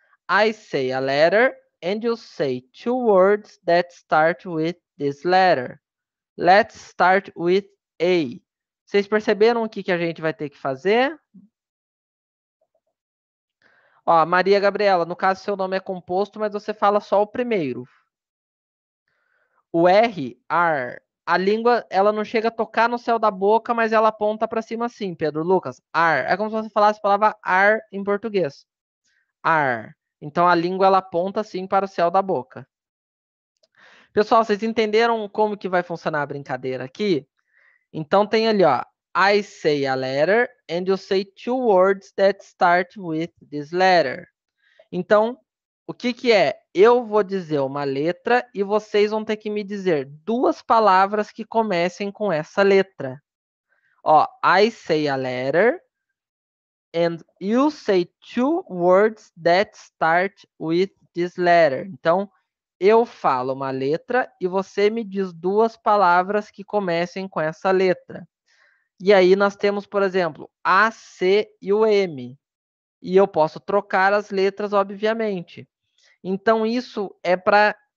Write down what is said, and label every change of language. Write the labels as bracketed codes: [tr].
[en] I say a letter, and you say two words that start with this letter. Let's start with A. [pt] Vocês perceberam o que, que a gente vai ter que fazer? Ó, Maria Gabriela, no caso seu nome é composto, mas você fala só o primeiro. O R, R, a língua, ela não chega a tocar no céu da boca, mas ela aponta para cima assim, Pedro Lucas. R, é como se você falasse a palavra R em português. R, então a língua, ela aponta assim para o céu da boca. Pessoal, vocês entenderam como que vai funcionar a brincadeira aqui? Então tem ali, ó, [en] I say a letter and you say two words that start with this letter. [pt] Então, o que que é? Eu vou dizer uma letra e vocês vão ter que me dizer duas palavras que comecem com essa letra. [en] Ó, I say a letter and you say two words that start with this letter. [pt] Então, eu falo uma letra e você me diz duas palavras que comecem com essa letra. E aí nós temos, por exemplo, A, C e o M. E eu posso trocar as letras, obviamente. Então, isso é para